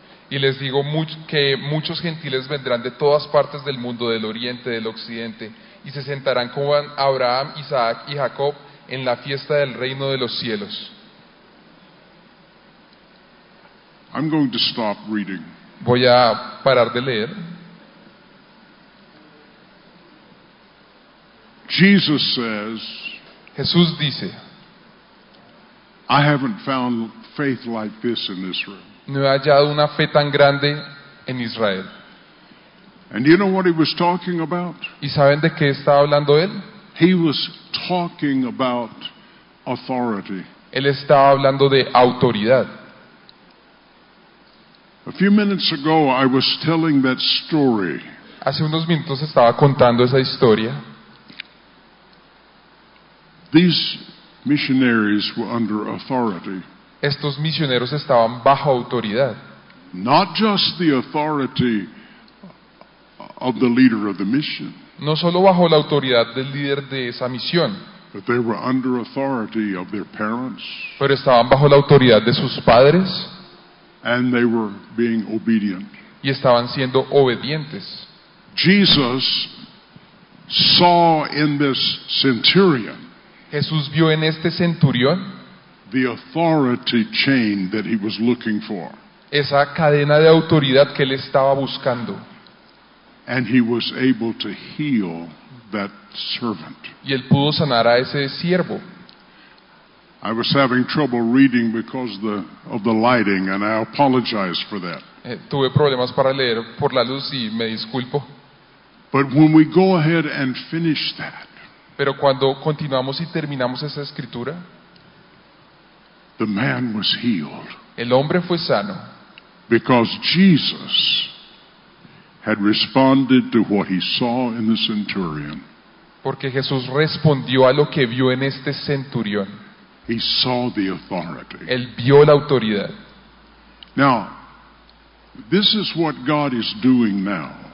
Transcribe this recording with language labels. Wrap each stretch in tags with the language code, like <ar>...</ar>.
<es>Y les digo que muchos gentiles vendrán de todas partes del mundo, del oriente, del occidente, y se sentarán con Abraham, Isaac y Jacob en la fiesta del reino de los cielos.</es> <en>I'm going to stop reading.</en> <es>Voy a parar de leer.</es> <en>Jesus says,</en> <es>Jesús dice,</es> <en>I haven't found faith like this in Israel.</en> <es>No he hallado una fe tan grande en Israel.</es> <en>And you know what he was talking about?</en> <es>¿Y saben de qué estaba hablando él?</es> <en>He was talking about authority.</en> <es>Él estaba hablando de autoridad.</es> <en>A few minutes ago, I was telling that story.</en> <es>Hace unos minutos estaba contando esa historia.</es> <en>These missionaries were under authority.</en> <es>Estos misioneros estaban bajo autoridad.</es> <en>Not just the authority of the leader of the mission.</en> <es>No solo bajo la autoridad del líder de esa misión.</es> <en>But they were under authority of their parents.</en> <es>Pero estaban bajo la autoridad de sus padres.</es> <en>And they were being obedient.</en> <es>Y estaban siendo obedientes.</es> <en>Jesus saw in this centurion.</en> <es>Jesús vio en este centurión</es> <en>the authority chain that he was looking for.</en> <es>Esa cadena de autoridad que él estaba buscando.</es> <en>And he was able to heal that servant.</en> <es>Y él pudo sanar a ese siervo.</es> <en>I was having trouble reading because of the lighting, and I apologize for that.</en> <es>Tuve problemas para leer por la luz y me disculpo.</es> <en>But when we go ahead and finish that,</en> <es>pero cuando continuamos y terminamos esa escritura,</es> <en>the man was healed.</en> <es>El hombre fue sano.</es> <en>Because Jesus had responded to what he saw in the centurion.</en> <es>Porque Jesús respondió a lo que vio en este centurión.</es> <en>He saw the authority.</en> <es>Él vio la autoridad.</es> <en>Now, this is what God is doing now.</en>